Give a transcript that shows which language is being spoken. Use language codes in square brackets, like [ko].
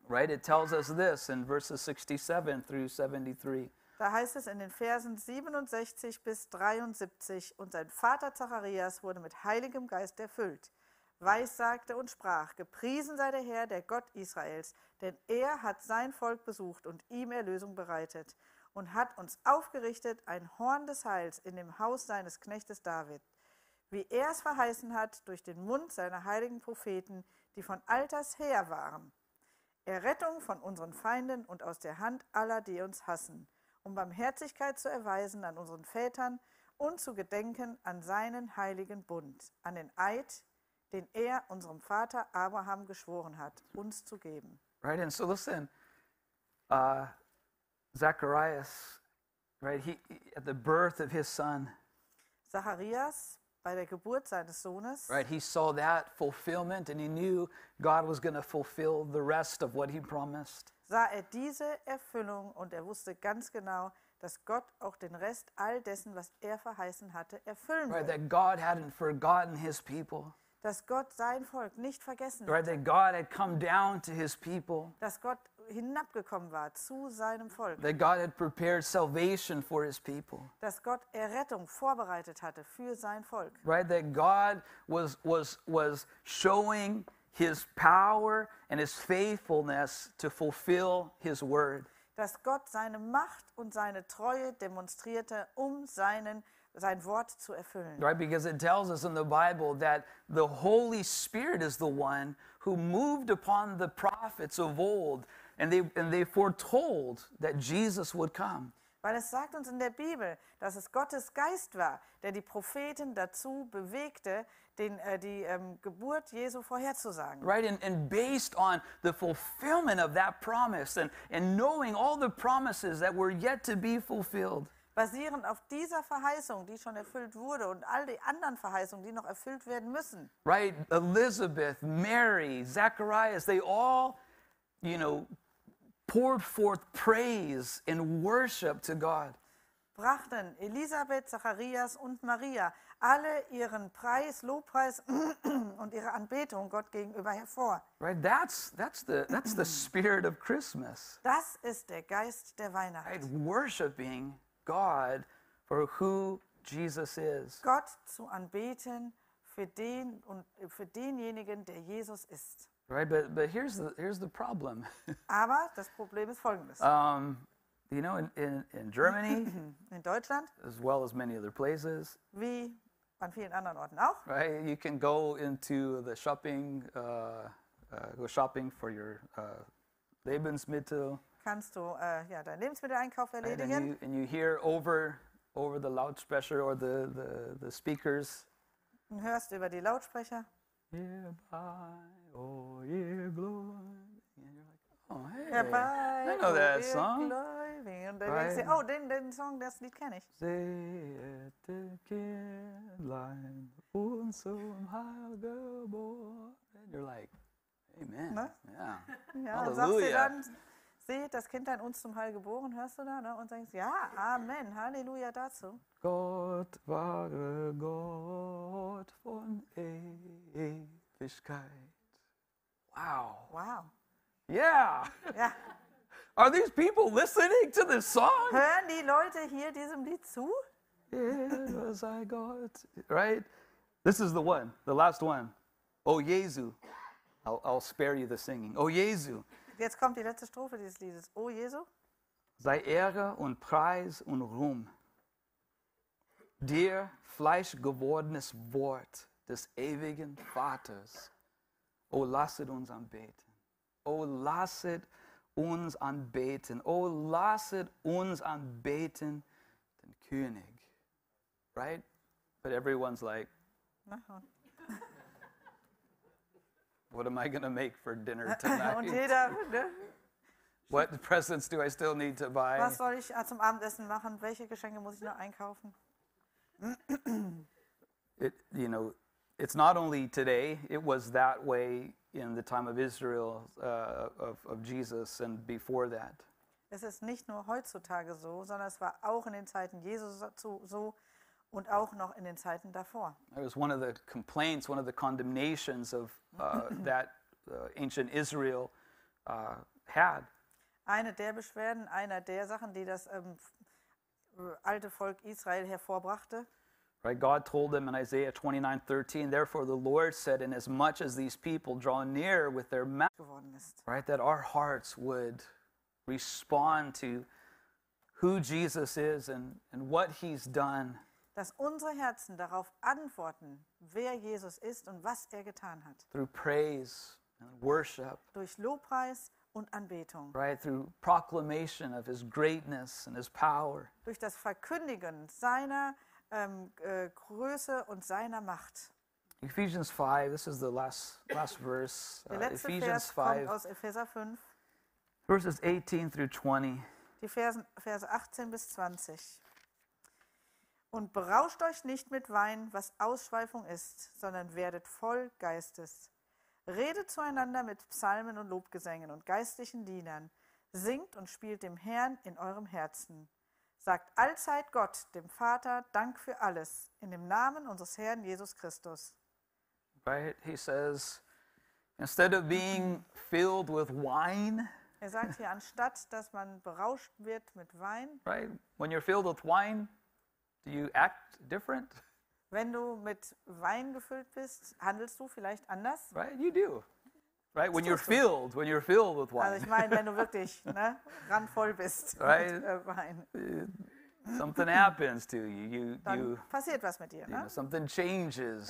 [en] Right, it tells us this in verses 67 through 73. [de] Da heißt es in den Versen 67 bis 73, und sein Vater Zacharias wurde mit Heiligem Geist erfüllt. Weissagte und sprach, gepriesen sei der Herr, der Gott Israels, denn er hat sein Volk besucht und ihm Erlösung bereitet und hat uns aufgerichtet, ein Horn des Heils in dem Haus seines Knechtes David, wie er es verheißen hat durch den Mund seiner heiligen Propheten, die von alters her waren. Errettung von unseren Feinden und aus der Hand aller, die uns hassen. Um Barmherzigkeit zu erweisen an unseren Vätern und zu gedenken an seinen heiligen Bund, an den Eid, den er unserem Vater Abraham geschworen hat, uns zu geben. [en] Right, and so listen, Zacharias, right, he at the birth of his son. [de] Zacharias bei der Geburt seines Sohnes. [en] Right, he saw that fulfillment and he knew God was going to fulfill the rest of what he promised. [de] Sah er diese Erfüllung und er wusste ganz genau, dass Gott auch den Rest all dessen, was er verheißen hatte, erfüllen würde. [en] Right, that God hadn't forgotten his people. [de] Dass Gott sein Volk nicht vergessen hatte. [en] Right, that God had come down to his people. [de] Dass Gott hinabgekommen war zu seinem Volk. [en] That God had prepared salvation for his people. [de] Dass Gott Errettung vorbereitet hatte für sein Volk. [en] Right, that God was showing his power and his faithfulness to fulfill his word. [de] Dass Gott seine Macht und seine Treue demonstrierte, um sein Wort zu erfüllen. [en] Right, because it tells us in the Bible that the Holy Spirit is the one who moved upon the prophets of old and they foretold that Jesus would come. [de] Weil es sagt uns in der Bibel, dass es Gottes Geist war, der die Propheten dazu bewegte, die Geburt Jesu vorherzusagen. [en] Right, and based on the fulfillment of that promise and knowing all the promises that were yet to be fulfilled. [de] basierend auf dieser Verheißung, die schon erfüllt wurde, und all die anderen Verheißungen, die noch erfüllt werden müssen. [en] Right, Elizabeth, Mary, Zacharias, they all, you know, poured forth praise and worship to God. [de] Brachten Elisabeth, Zacharias und Maria alle ihren Preis, Lobpreis und ihre Anbetung Gott gegenüber hervor. [en] Right, that's the spirit of Christmas. [de] Das ist der Geist der Weihnacht. [en] Right, worshiping God for who Jesus is. [de] Gott zu anbeten für den und für denjenigen, der Jesus ist. [en] Right, but here's the problem. [de] Aber das Problem ist folgendes. [en] You know, in Germany, [de] in Deutschland, [en] as well as many other places, [de] wie an vielen anderen Orten auch, [en] right? You can go into the shopping, go shopping for your Lebensmittel. [de] Kannst du ja deinen Lebensmitteleinkauf erledigen? [en] Right? And you hear over the loudspeaker or the speakers. [de] Und hörst über die Lautsprecher. [en] Hereby, oh, ye glory. Oh, hey, I know that song. [de] Und dann denkst du, oh, den Song, das Lied kenne ich. Seht den Kindlein und so im Heil geboren. [en] You're like, amen. Ne? Yeah. [de] Ja, Halleluja. Sagst du dann, seht das Kindlein uns zum Heil geboren, hörst du da? Ne? Und denkst, ja, amen, Halleluja dazu. Gott, wahre Gott von Ewigkeit. Wow. Wow. Yeah. Yeah. [en] Are these people listening to this song? [de] Hören die Leute hier diesem Lied zu? [en] Yes, I got right. This is the one, the last one. Oh Jesu, I'll spare you the singing. [de] Oh Jesu. Jetzt kommt die letzte Strophe dieses Liedes. Oh Jesu. Sei Ehre und Preis und Ruhm. Dir Fleisch gewordenes Wort des ewigen Vaters. Oh, lasset uns anbeten. Oh, lasset uns anbeten. Oh, lasset uns anbeten den König. [en] Right? But everyone's like, what am I going to make for dinner tonight? [de] Und jeder, ne? [en] What presents do I still need to buy? [de] Was soll ich zum Abendessen machen? Welche Geschenke muss ich noch einkaufen? [en] It, you know, it's not only today, it was that way in the time of Israel, of Jesus, and before that. [de] Es ist nicht nur heutzutage so, sondern es war auch in den Zeiten Jesus so und auch noch in den Zeiten davor. [en] It was one of the complaints, one of the condemnations of that ancient Israel had. [de] Eine der Beschwerden, einer der Sachen, die das alte Volk Israel hervorbrachte. [en] Right, God told them in Isaiah 29:13. Therefore, the Lord said, "Inasmuch as these people draw near with their mouth, right, that our hearts would respond to who Jesus is and what He's done." [de] Dass unsere Herzen darauf antworten, wer Jesus ist und was getan hat. [en] Through praise and worship. [de] Durch Lobpreis. Und Anbetung. [en] Right, through proclamation of His greatness and His power. [de] Durch das Verkündigen seiner Größe und seiner Macht. [en] Ephesians 5, this is the last verse. [de] Der letzte Ephesians Vers 5, kommt aus Epheser 5. [en] Verses 18 through 20. [de] Die Verse 18 bis 20. Und berauscht euch nicht mit Wein, was Ausschweifung ist, sondern werdet voll Geistes. Redet zueinander mit Psalmen und Lobgesängen und geistlichen Liedern. Singt und spielt dem Herrn in eurem Herzen. Sagt allzeit Gott, dem Vater, Dank für alles, in dem Namen unseres Herrn Jesus Christus. [en] Right, he says, instead of being filled with wine. [de] Er sagt hier, anstatt dass man berauscht wird mit Wein. [en] Right, when you're filled with wine, do you act different? [de] Wenn du mit Wein gefüllt bist, handelst du vielleicht anders? [en] Right, you do. Right, when you're filled with wine. [de] Also ich meine, wenn du wirklich, ne, randvoll bist. [en] Right? [de] Mit Wein. [en] Something happens to you. You [de] dann [en] you, [de] passiert was mit dir, ne? [en] You know, something changes.